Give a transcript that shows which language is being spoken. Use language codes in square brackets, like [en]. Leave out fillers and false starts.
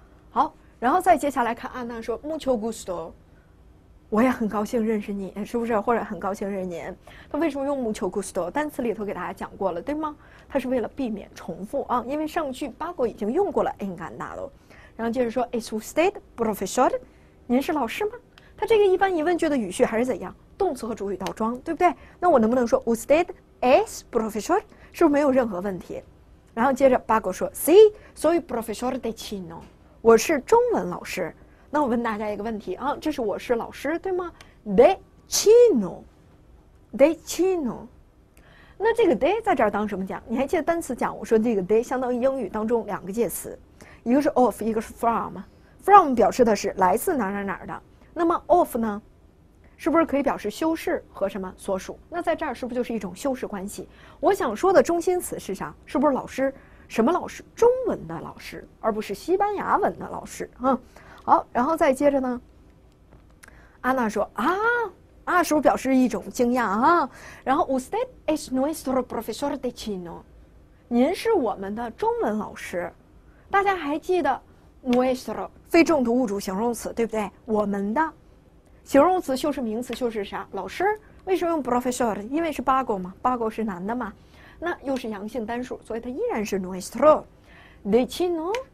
[zh] 好，然后再接下来看安娜说 [es] mucho gusto， [zh] 我也很高兴认识你，是不是？或者很高兴认识您。他为什么用 [es] mucho gusto？ [zh] 单词里头给大家讲过了，对吗？他是为了避免重复啊，因为上句 Paco 已经用过了 encantado。然后接着说 ， [es] es usted profesor？ [zh] 您是老师吗？他这个一般疑问句的语序还是怎样？动词和主语倒装，对不对？那我能不能说 [es] usted es profesor？ [zh] 是不是没有任何问题？然后接着 [es] Paco 说 ，sí， soy profesor de chino。 [zh] 我是中文老师。那我问大家一个问题啊，这是我是老师对吗 ？ [es] De chino， de chino。 [zh] 那这个 de 在这儿当什么讲？你还记得单词讲？我说这个 de 相当于英语当中两个介词，一个是 of， 一个是 from。 from 表示的是来自哪哪哪的。那么 of 呢，是不是可以表示修饰和什么所属？那在这儿是不是就是一种修饰关系？我想说的中心词是啥？是不是老师？什么老师？中文的老师，而不是西班牙文的老师啊。好，然后再接着呢，安娜说啊啊，是不是表示一种惊讶啊？然后 [es] usted es nuestro profesor de chino， [zh] 您是我们的中文老师。大家还记得 nuestro 非重读物主形容词对不对？我们的形容词修饰名词修饰啥？老师。为什么用 profesor？ 因为是 Paco 嘛， Paco 是男的嘛，那又是阳性单数，所以它依然是 [es] nuestro de chino。